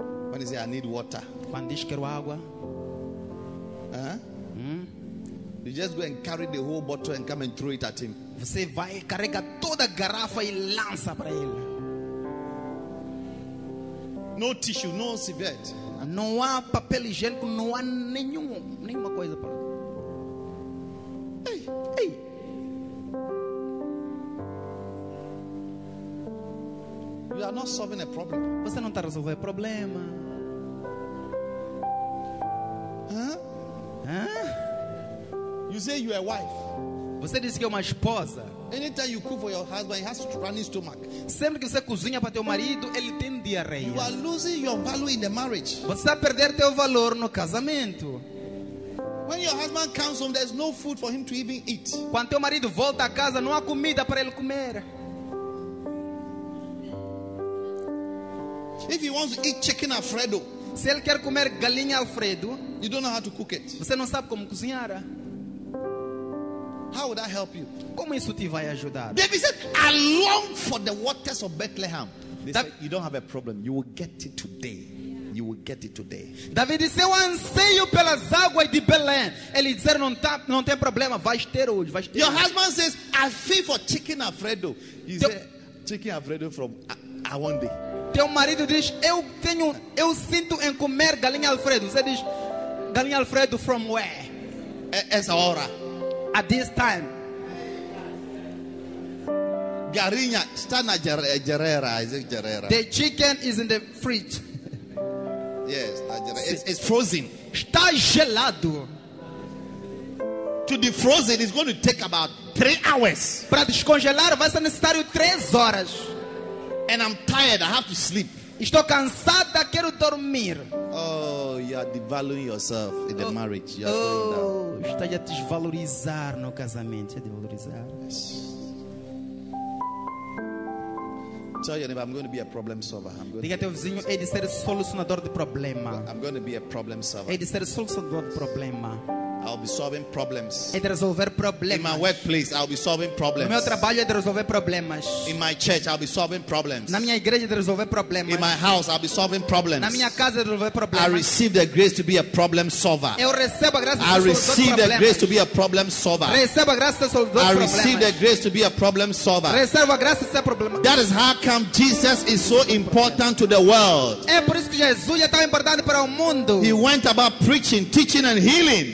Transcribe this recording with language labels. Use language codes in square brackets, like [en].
[en] When he says, "I need water." [pt] Quando diz quero água. [en] You just go and carry the whole bottle and come and throw it at him. [pt] Você vai carrega toda a garrafa e lança para ele. [en] No tissue, no serviette. [pt] Não há papel higiênico, não há nenhuma coisa para. Ei. [en] You are not solving a problem. [pt] Você não está resolvendo problema. [en] You say you are a wife. [pt] Você disse que é uma esposa. [en] Anytime you cook for your husband, he has to run his stomach. [pt] Sempre que você cozinha para teu marido, ele tem diarreia. [en] You are losing your value in the marriage. [pt] Você está perdendo teu valor no casamento. [en] When your husband comes home, there's no food for him to even eat. [pt] Quando teu marido volta a casa, não há comida para ele comer. [en] If he wants to eat chicken Alfredo, [pt] se ele quer comer galinha Alfredo, [en] you don't know how to cook it. [pt] Você não sabe como cozinhar. [en] How would that help you? [pt] Como isso te vai ajudar? [en] David said, "I long for the waters of Bethlehem." They said, "You don't have a problem. You will get it today. You will get it today." [pt] David disse, "Eu anseio pelas águas de Belém." Ele disse, "Não tem problema. Vais ter hoje. Vais ter." [en] Your husband says, "I feel for chicken Alfredo." He said, "Chicken Alfredo from Awande." [pt] Teu marido diz, eu sinto em comer galinha Alfredo. Você diz, galinha Alfredo [en] from where? [pt] Essa hora. [en] At this time. [pt] Garinha, está na Gerrera. [en] Is it Gerrera? The chicken is in the fridge. Yes, na Gerrera. It's frozen. [pt] Está gelado. [en] To defrozen is going to take about 3 hours. [pt] Para descongelar vai ser necessário 3 horas. [en] And I'm tired, I have to sleep. [pt] Estou cansada, quero dormir. [en] Oh, you are devaluing yourself in the marriage. You are going down. [pt] Está a desvalorizar no casamento, a desvalorizar. [en] Yes. Tell your neighbor, I'm going to be a problem solver. [pt] Diga teu vizinho, é de ser solucionador de problema. [en] I'm going to be a problem solver. [pt] É de ser solucionador de problema. [en] I'll be solving problems. [pt] É de resolver problemas. [en] In my workplace, I'll be solving problems. [pt] No meu trabalho é de resolver problemas. [en] In my church, I'll be solving problems. [pt] Na minha igreja é de resolver problemas. [en] In my house, I'll be solving problems. [pt] Na minha casa é de resolver problemas. [en] I receive the grace to be a problem solver. [pt] Eu recebo a graça de resolver problemas. [en] I receive the grace to be a problem solver. [pt] Recebo a graça de resolver problemas. [en] I receive the grace to be a problem solver. [pt] Recebo a graça de ser problema. [en] That is how come Jesus is so important to the world. [pt] É por isso que Jesus é tão importante para o mundo. [en] He went about preaching, teaching and healing.